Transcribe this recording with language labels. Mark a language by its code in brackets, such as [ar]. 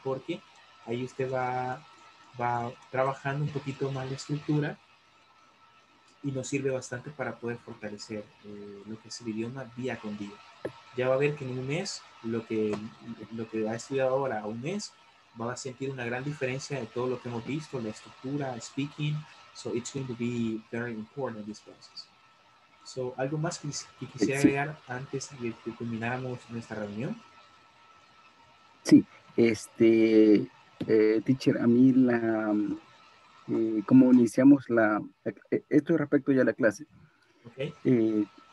[es] Porque ahí usted va trabajando un poquito más la estructura y nos sirve bastante para poder fortalecer lo que es el idioma día con día. Ya va a ver que en un mes, lo que ha estudiado ahora, un mes, va a sentir una gran diferencia de todo lo que hemos visto, la estructura, speaking. [en] So it's going to be very important, this process. [es] So, ¿algo más que quisiera agregar antes de que termináramos nuestra reunión? Sí, teacher, a mí la... como iniciamos esto respecto ya a la clase, okay.